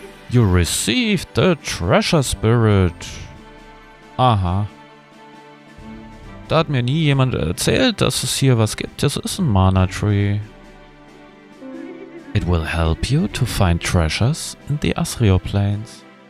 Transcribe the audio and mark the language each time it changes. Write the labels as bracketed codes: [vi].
[en] You received the treasure spirit. Aha. [de] Da hat mir nie jemand erzählt, dass es hier was gibt. Das ist ein Mana Tree. [en] It will help you to find treasures in the Asrio Plains.